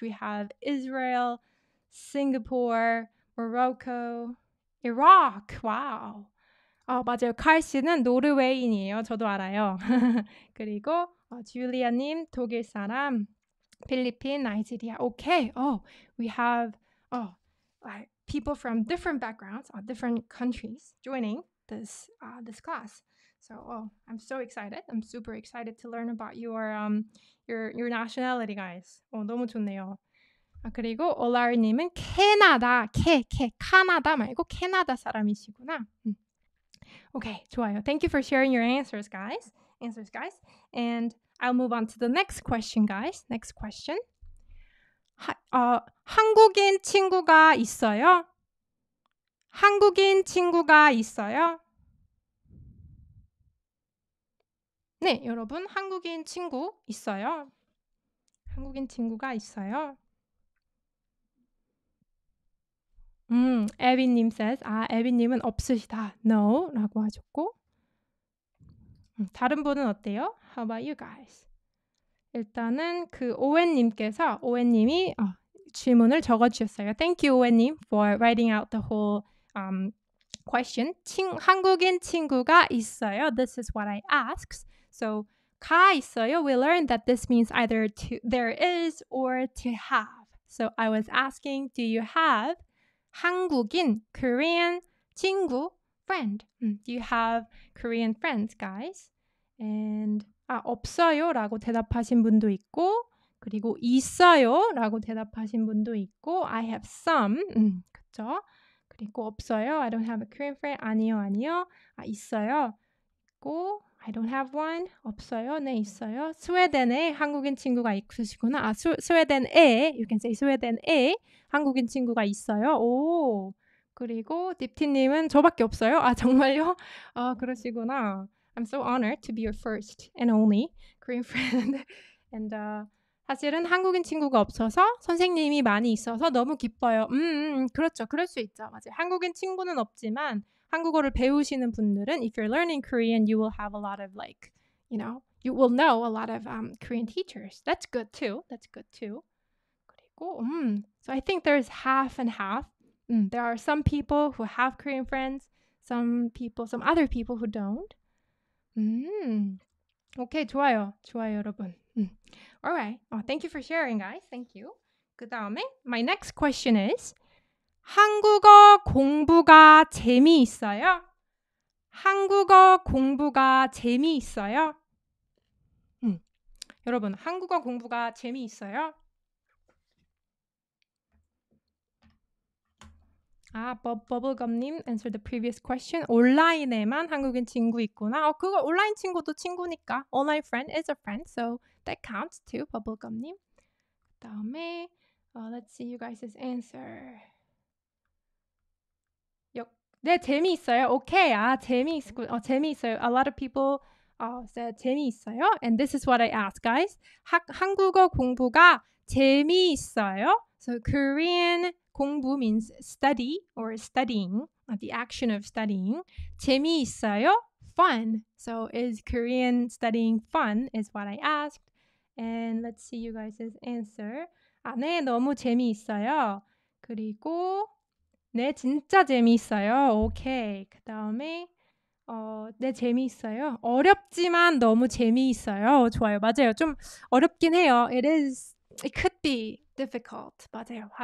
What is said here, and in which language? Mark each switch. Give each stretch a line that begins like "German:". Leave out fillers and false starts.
English: We have Israel, Singapore, Morocco, Iraq. Wow.
Korean: 아, 맞아요. 칼 씨는 노르웨이인이에요. 저도 알아요. 그리고 어, 줄리아님 독일 사람, 필리핀, 나이지리아. 오케이.
English: We have people from different backgrounds, different countries joining this this class. So I'm so excited. I'm super excited to learn about your nationality, guys.
Korean: 어, 너무 좋네요. 아, 그리고 올라르님은 캐나다, 캐나다 말고 캐나다 사람이시구나.
English: Okay,
Korean: 좋아요.
English: Thank you for sharing your answers, guys. And I'll move on to the next question, guys. Next question.
Korean: 한국인 친구가 있어요? 한국인 친구가 있어요? 네, 여러분, 한국인 친구 있어요? 한국인 친구가 있어요? 에비님
English: says,
Korean: 아, 에비님은 없으시다. No, 라고 하셨고. 다른 분은 어때요?
English: How about you guys?
Korean: 일단은 그 오웬님께서, 오웬님이 질문을 적어주셨어요.
English: Thank you, 오웬님, for writing out the whole question.
Korean: 한국인 친구가 있어요?
English: This is what I asked. So,
Korean: 가 있어요?
English: We learned that this means either to, there is or to have. So, I was asking, do you have 한국인, Korean 친구, friend? Do you have Korean friends, guys? And
Korean: 아, 없어요 라고 대답하신 분도 있고 그리고 있어요 라고 대답하신 분도 있고
English: I have some,
Korean: 그쵸? 그리고 없어요,
English: I don't have a Korean friend,
Korean: 아니요, 아니요, 아, 있어요, 있고
English: I don't have one,
Korean: 없어요, 네, 있어요. 스웨덴에 한국인 친구가 있으시구나. 아, 스웨덴에,
English: you can say
Korean: 스웨덴에 한국인 친구가 있어요. 오, 그리고 딥티님은 저밖에 없어요? 아, 정말요? 아, 그러시구나.
English: I'm so honored to be your first and only Korean friend. And
Korean: 사실은 한국인 친구가 없어서 선생님이 많이 있어서 너무 기뻐요. 그렇죠. 그럴 수 있죠. 맞아요. 한국인 친구는 없지만 한국어를 배우시는 분들은
English: if you're learning Korean, you will have a lot of like, you know, you will know a lot of Korean teachers. That's good too. That's good too.
Korean: 그리고
English: So I think there's half and half. There are some people who have Korean friends, some other people who don't.
Korean: 오케이, 좋아요. 좋아요, 여러분.
English: Alright. Oh, thank you for sharing, guys. Thank you.
Korean: 그 다음에
English: my next question is
Korean: 한국어 공부가 재미있어요? 한국어 공부가 재미있어요? 여러분, 한국어 공부가 재미있어요?
English: 아, 버블검님 answered the previous question.
Korean: 온라인에만 한국인 친구 있구나. 어, 그거 온라인 친구도 친구니까.
English: Online friend is a friend, so that counts too, 버블검님.
Korean: 그 다음에,
English: let's see you guys' answer.
Korean: 네, 재미있어요. 오케이, 아, 재미있어요.
English: A lot of people said
Korean: 재미있어요.
English: And this is what I asked, guys.
Korean: 한국어 공부가 재미있어요?
English: So Korean 공부 means study or studying, the action of studying.
Korean: 재미있어요?
English: Fun. So is Korean studying fun is what I asked. And let's see you guys' answer.
Korean: 아, 네, 너무 재미있어요. 그리고 네, 진짜 재미있어요. 오케이. 그 다음에 네, 재미있어요. 어렵지만 너무 재미있어요. 좋아요. 맞아요. 좀 어렵긴 해요.
English: It could be difficult.
Korean: 맞아요.